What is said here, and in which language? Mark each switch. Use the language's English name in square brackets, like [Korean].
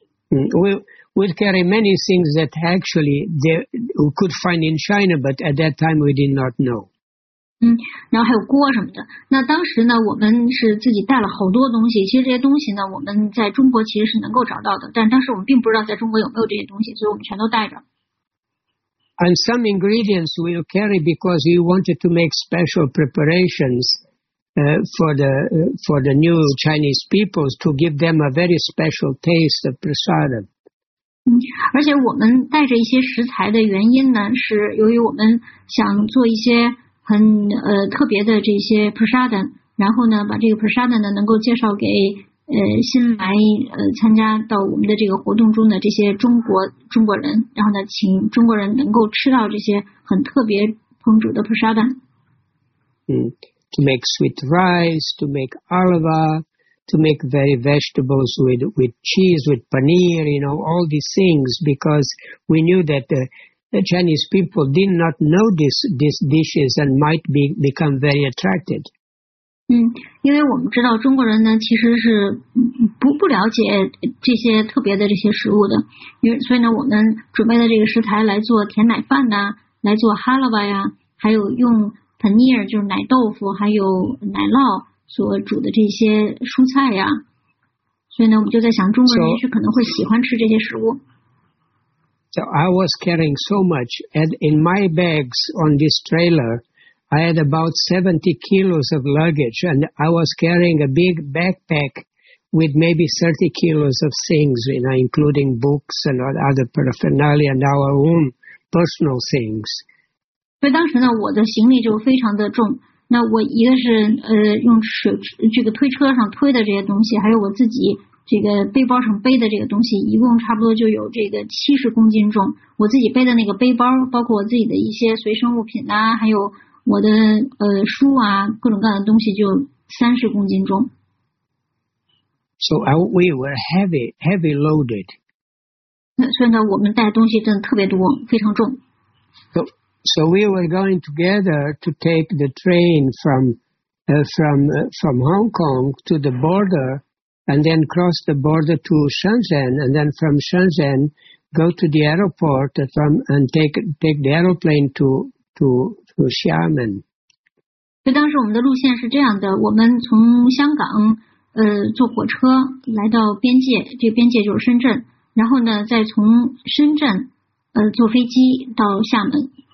[English] We'll carry many things that actually we could find in China, but at that time we did not know. [Chinese] 然后还有锅什么的。那当时呢，我们是自己带了好多东西。其实这些东西呢，我们在中国其实是能够找到的，但当时我们并不知道在中国有没有这些东西，所以我们全都带着。 [English] And some ingredients we carry because we wanted to make special preparations, for the new Chinese peoples to give them a very special taste of prasad. [Chinese] 而且我们带着一些食材的原因呢，是由于我们想做一些。很特别的这些 prasadam， 然后呢，把这个 prasadam 呢能够介绍给新来参加到我们的这个活动中的这些中国人，然后呢，请中国人能够吃到这些很特别烹煮的 prasadam。 [English] To make sweet rice, to make alva, to make very vegetables with cheese, with paneer, you know, all these things because we knew that The Chinese people did not know these dishes and might become very attracted. [Chinese] 因为我们知道中国人呢其实是不了解这些特别的这些食物的，所以呢我们准备的这个食材来做甜奶饭呐，来做哈喇巴呀，还有用 paneer 就是奶豆腐，还有奶酪所煮的这些蔬菜呀，所以呢我们就在想中国人也许可能会喜欢吃这些食物。 [English] So I was carrying so much, and in my bags on this trailer, I had about 70 kilos of luggage, and I was carrying a big backpack with maybe 30 kilos of things, you know, including books and other paraphernalia and our own personal things. [Chinese] 所以当时呢，我的行李就非常的重。那我一个是用手这个推车上推的这些东西，还有我自己。这个背包上背的这个东西一共差不多就有这个70公斤重，我自己背的那个背包包括我自己的一些随身物品啊，还有我的书啊，各种各样的东西就30公斤重。 [English] So we were heavy loaded. [Chinese] 所以呢我们带的东西真的特别多，非常重。 [English] So we were going together to take the train from Hong Kong to the border. And then cross the border to Shenzhen, and then from Shenzhen, go to the airport and take the airplane to Xiamen. [Chinese] 所以当时我们的路线是这样的，我们从香港坐火车来到边界，这个边界就是深圳，然后呢再从深圳坐飞机到厦门。